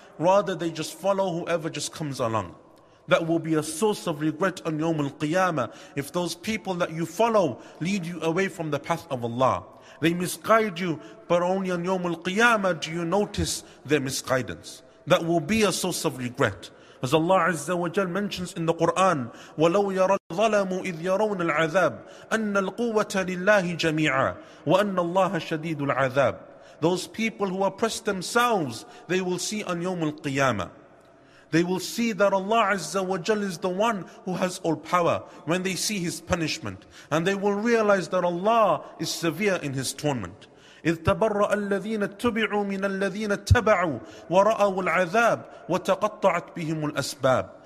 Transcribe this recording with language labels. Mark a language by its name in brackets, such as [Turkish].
[English] Rather, they just follow whoever just comes along. That will be a source of regret on Yawm al-Qiyamah if those people that you follow lead you away from the path of Allah. They misguide you, but only on Yawm al-Qiyamah do you notice their misguidance. That will be a source of regret. As Allah Azza wa Jal mentions in the Quran, [Arabic] وَلَوْ يَرَى الظَّلَمُ إِذْ يَرَوْنَ الْعَذَابُ أَنَّ الْقُوَّةَ لِلَّهِ جَمِيعًا وَأَنَّ اللَّهَ شَدِيدُ الْعَذَابُ. [English] Those people who oppress themselves, they will see on Yawm al-Qiyamah. They will see that Allah Azza wa Jal is the one who has all power when they see His punishment. And they will realize that Allah is severe in His torment. [Arabic] إِذْ تَبَرَّأَ الَّذِينَ اتَّبِعُوا مِنَ الَّذِينَ اتَّبَعُوا وَرَأَوُوا الْعَذَابِ وَتَقَطَّعَتْ بِهِمُ الْأَسْبَابِ.